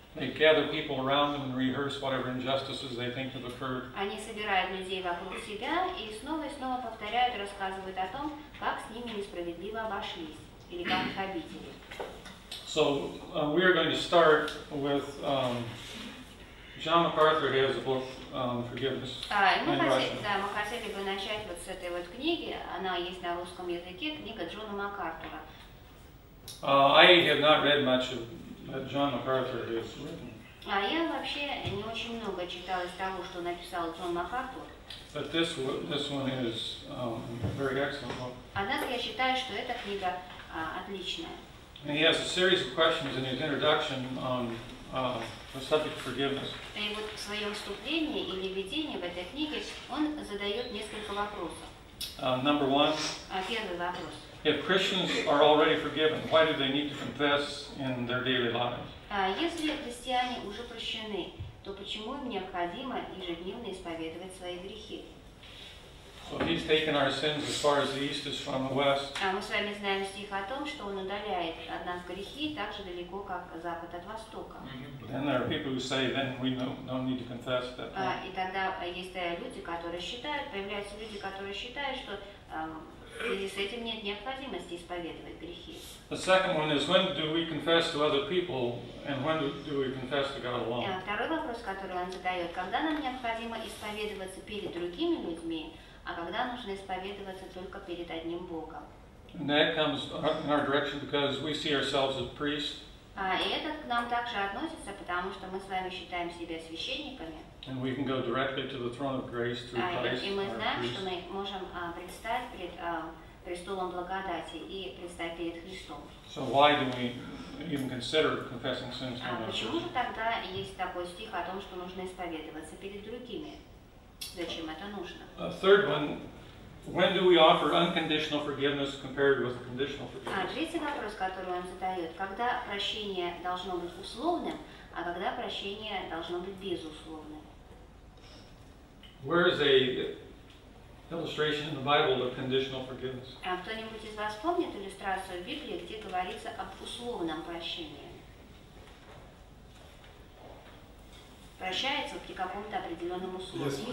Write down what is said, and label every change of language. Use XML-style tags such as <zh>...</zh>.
<en>They gather people around them and rehearse whatever injustices they think have occurred.</en> <ru>Они собирают людей вокруг себя и снова повторяют, рассказывают о том, как с ними несправедливо обошлись или как их обидели.</ru> <en>So we are going to start with John MacArthur has a book, Forgiveness.</en> <ru>Мы хотели бы начать вот с этой вот книги. Она есть на русском языке. Книга Джона МакАртура.</ru> <en>I have not read much of that John MacArthur has written.</en> <ru>Я вообще не очень много читал из того, что написал Джон МакАртур.</ru> <en>But this one is very excellent book.</en> <ru>Однако я считаю, что эта книга отличная.</ru> <en>And he has a series of questions in his introduction on the subject of forgiveness.</en> <ru>И вот в своем вступлении или введении в этой книге он задает несколько вопросов.</ru> <en>Number one.</en> <ru>Первый вопрос.</ru> <en>If Christians are already forgiven, why do they need to confess in their daily lives?</en> <ru>Если христиане уже прощены, то почему им необходимо ежедневно исповедовать свои грехи?</ru> <en>So he's taken our sins as far as the east is from the west.</en> <ru>Мы с вами знаем стих о том, что он удаляет от нас грехи так же далеко, как запад от востока.</ru> <en>Then there are people who say, then we don't need to confess that.</en> <ru>И тогда есть люди, которые считают, появляются люди, которые считают, что и с этим нет необходимости исповедовать грехи.</ru> <en>The second one is, when do we confess to other people, and when do we confess to God alone?</en> <ru>Второй вопрос, который он задает, когда нам необходимо исповедоваться перед другими людьми, а когда нужно исповедоваться только перед одним Богом?</ru> <en>And that comes in our direction because we see ourselves as priests.</en> <ru>И это к нам также относится, потому что мы с вами считаем себя священниками.</ru> <en>And we can go directly to the throne of grace through Christ.</en> <ru>И мы знаем, что мы можем предстать перед престолом благодати и предстать перед Христом.</ru> <en>So why do we even consider confessing sins?</en> <ru>Почему же тогда есть такой стих о том, что нужно исповедоваться перед другими? Зачем это нужно?</ru> <en>A third one. When do we offer unconditional forgiveness compared with conditional forgiveness?</en> <ru>Третий вопрос, который он задает, когда прощение должно быть условным, а когда прощение должно быть безусловным?</ru> <en>Where is a illustration in the Bible of conditional forgiveness?</en> <ru>Кто-нибудь из вас помнит иллюстрацию в Библии, где говорится об условном прощении? Прощается при каком-то определенном условии.</ru>